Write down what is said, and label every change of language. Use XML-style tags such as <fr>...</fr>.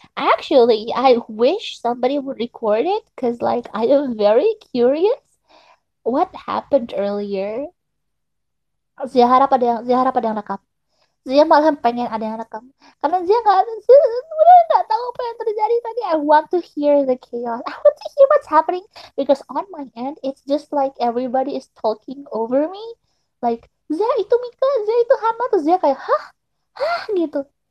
<en>Actually, I wish somebody would record it because, like, I am very curious what happened earlier.</en> <id>Zia harap ada yang rekam. Zia malah pengen ada yang rekam. Karena Zia gak tahu apa yang terjadi tadi.</id> <en>I want to hear the chaos. I want to hear what's happening. Because on my end, it's just like everybody is talking over me.</en> <id>Like, Zia itu Mika, Zia itu Hana. Terus Zia kayak, hah? Hah? Gitu.</id>